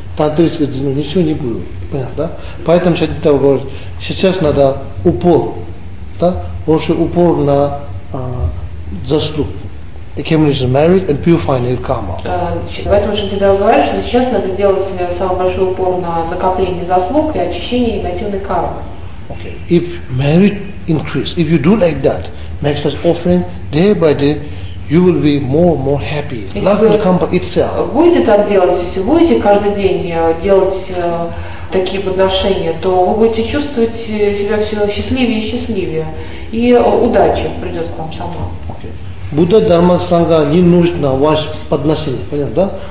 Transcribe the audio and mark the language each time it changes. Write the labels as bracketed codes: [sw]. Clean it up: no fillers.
[ru] Тантрическую дзину, ничего не будет. Понятно, да? Поэтому Шатита говорит, сейчас надо упор, да? Больше упор на заслуг. [en] Accumulation merit and purifying karma. [ru] Поэтому Шатита говорит, что сейчас надо делать самый большой упор на накопление заслуг и очищение негативной кармы. Okay. [en] If merit increase, if you do like that, make such offering day by day, you will be more happy. Love will come by itself. [ru] Будете так делать, если будете каждый день делать такие подношения, то вы будете чувствовать себя все счастливее и счастливее. И удача придет к вам сама. Будда Дхарма Санга не нужно ваше подношение, понятно, да?